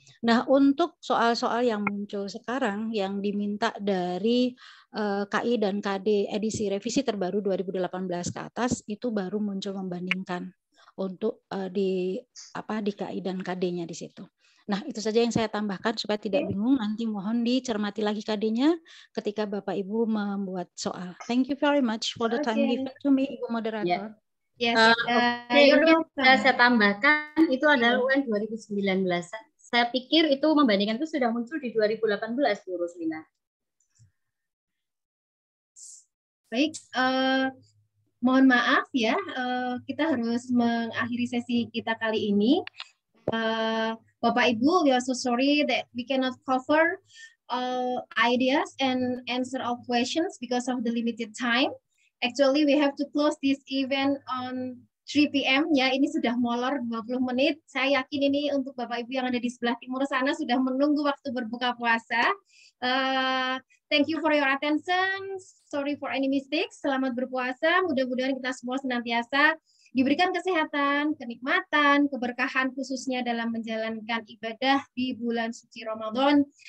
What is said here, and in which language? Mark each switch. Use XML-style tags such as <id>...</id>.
<id>Nah, untuk soal-soal yang muncul sekarang, yang diminta dari KI dan KD edisi revisi terbaru 2018 ke atas, itu baru muncul membandingkan untuk di KI dan KD-nya di situ. Nah, itu saja yang saya tambahkan supaya tidak bingung. Nanti mohon dicermati lagi KD-nya ketika Bapak-Ibu membuat soal.</id> <en>Thank you very much for the time given to me, Ibu Moderator. Yeah.</en> <id>Saya tambahkan, itu adalah UN 2019. Saya pikir itu membandingkan itu sudah muncul di 2018, Bu Roslina. Baik, mohon maaf ya, kita harus mengakhiri sesi kita kali ini.</id> <en>Bapak Ibu, we are so sorry that we cannot cover all ideas and answer all questions because of the limited time. Actually, we have to close this event on 3 PM.</en> <id>Ya, ini sudah molor 20 menit. Saya yakin ini untuk Bapak Ibu yang ada di sebelah timur sana sudah menunggu waktu berbuka puasa.</id> <en>Thank you for your attention. Sorry for any mistakes.</en> <id>Selamat berpuasa. Mudah-mudahan kita semua senantiasa diberikan kesehatan, kenikmatan, keberkahan khususnya dalam menjalankan ibadah di bulan suci Ramadan.</id>